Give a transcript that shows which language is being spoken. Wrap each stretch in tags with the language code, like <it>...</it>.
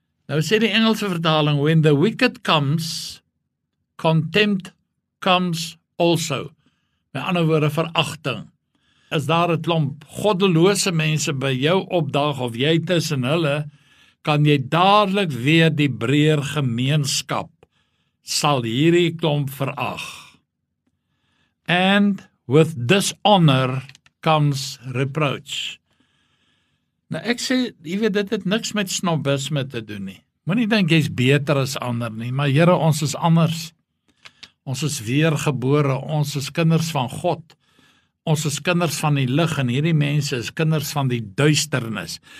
<af>Nou sê die Engelse vertaling,</af> <en>when the wicked comes, contempt comes also.</en> <af>By ander woorde, verachting. Is daar 'n klomp goddelose mense by jou opdag of jy tussen hulle, kan jy dadelik weer die breër gemeenskap sal hierdie klomp verag.</af> <en>And with dishonor comes reproach.</en> <af>Nou ek sê, jy weet, dit het niks met snobisme te doen nie. Moenie dink jy's beter as ander nie, maar Here, ons is anders. Ons is weergebore, ons is kinders van God. Ons is kinders van die lig en hierdie mense is kinders van die duisternis.</af>